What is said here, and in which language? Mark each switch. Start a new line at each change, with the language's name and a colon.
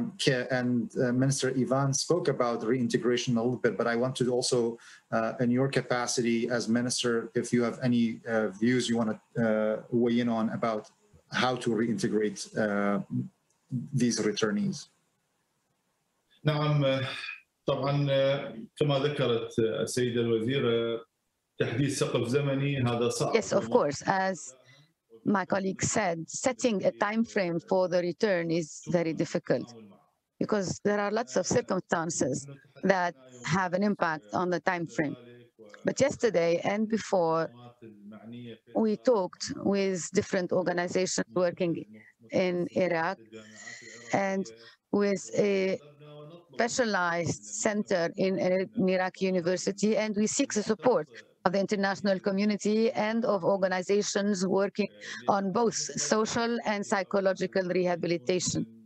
English: Minister Ivan spoke about reintegration a little bit, but I want to also, in your capacity as minister, if you have any views you want to weigh in on about how to reintegrate these returnees.
Arabic: نعم طبعا كما ذكرت السيدة الوزيرة تحديد سقف زمني هذا صعب.
English: Yes, of course, as my colleague said, setting a time frame for the return is very difficult because there are lots of circumstances that have an impact on the time frame. But yesterday and before, we talked with different organizations working in Iraq and with a specialized center in Iraq University, and we seek the support of the international community and of organizations working on both social and psychological rehabilitation.